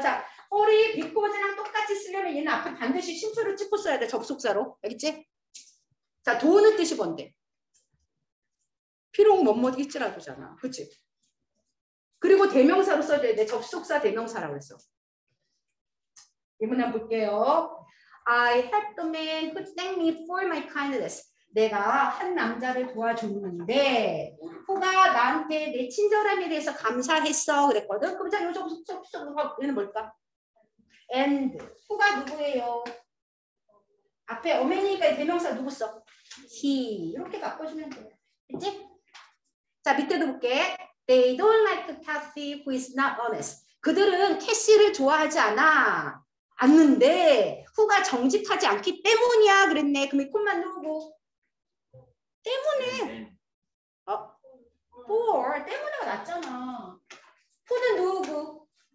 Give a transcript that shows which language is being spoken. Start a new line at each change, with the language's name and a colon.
Korean: 자, 우리 비코즈랑 똑같이 쓰려면 얘는 앞에 반드시 심표를 찍고 써야 돼. 접속사로. 알겠지? 자, 돈의 뜻이 뭔데? 필요한 뭐뭐 있지라도잖아. 그치? 그리고 대명사로 써줘야 돼. 접속사 대명사라고 했어. 이번에 한번 볼게요.
English: I helped the man who thanked me for my kindness.
Korean: 내가 한 남자를 도와줬는데 후가 나한테 내 친절함에 대해서 감사했어 그랬거든. 그럼 자, 요즘 얘는 뭘까? And 후가 누구예요? 앞에 어머니가 대명사 누구 써? He. 이렇게 바꿔주면 돼. 그치? 자, 밑에도 볼게.
English: They don't like Cassie who is not honest.
Korean: 그들은 캐시를 좋아하지 않아. 않는데 후가 정직하지 않기 때문이야 그랬네. 그럼 이 콤마는 누구? 때문에. 어? For. 때문에가 낫잖아. For는 누구?